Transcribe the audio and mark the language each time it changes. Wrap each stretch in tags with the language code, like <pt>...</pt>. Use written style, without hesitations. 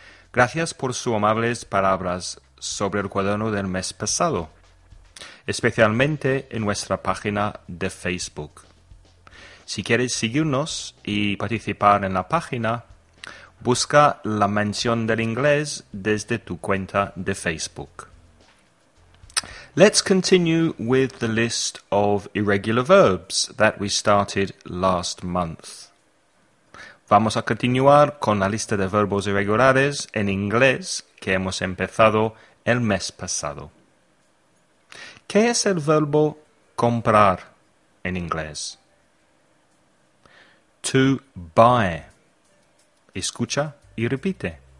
<es>Gracias por sus amables palabras sobre el cuaderno del mes pasado, especialmente en nuestra página de Facebook. Si quieres seguirnos y participar en la página, busca la mención del inglés desde tu cuenta de Facebook.</es> <en>Let's continue with the list of irregular verbs that we started last month.</en> <es>Vamos a continuar con la lista de verbos irregulares en inglés que hemos empezado el mes pasado. ¿Qué es el verbo comprar en inglés? To buy. Escucha y repite.</es>